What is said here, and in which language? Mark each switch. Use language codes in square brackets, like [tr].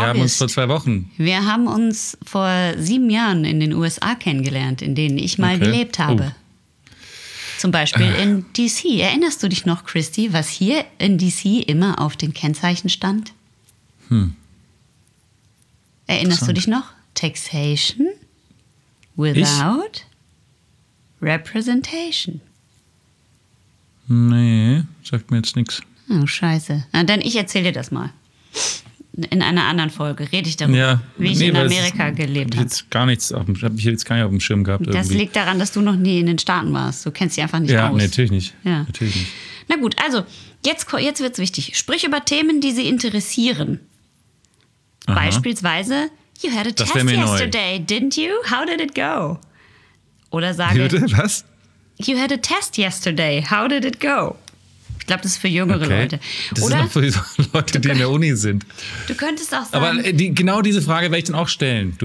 [de] Wir haben uns vor 2 Wochen. Wir haben uns vor 7 Jahren in den USA kennengelernt, in denen ich mal gelebt habe. Oh. Zum Beispiel in DC. Erinnerst du dich noch, Christy, was hier in DC immer auf den Kennzeichen stand? Erinnerst du dich noch? [en] Taxation without representation. [de] Nee, sagt mir jetzt nichts. Oh, scheiße. Na, dann ich erzähle dir das mal. In einer anderen Folge rede ich darüber, wie ich in Amerika gelebt habe. Hab ich jetzt gar nicht auf dem Schirm gehabt. Das liegt daran, dass du noch nie in den Staaten warst. Du kennst sie einfach nicht aus. Nee, natürlich nicht. Ja, natürlich nicht. Na gut, also jetzt wird es wichtig. Sprich über Themen, die sie interessieren. Aha. Beispielsweise, [en] you had a test yesterday, didn't you? How did it go? [de] Oder sage, was? [en] You had a test yesterday, how did it go? [de] Ich glaube, das ist für jüngere Leute. Das sind auch für die Leute, die in der Uni sind. Du könntest auch sagen... Aber genau diese Frage werde ich dann auch stellen.